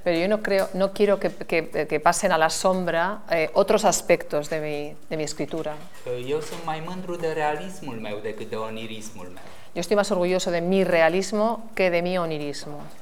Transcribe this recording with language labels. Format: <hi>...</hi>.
<es>Pero yo no quiero que pasen a la sombra otros aspectos de mi escritura.</es> <ro>Eu sunt mai mândru de realismul meu decât de onirismul meu.</ro> <es>Yo estoy más orgulloso de mi realismo que de mi onirismo.</es>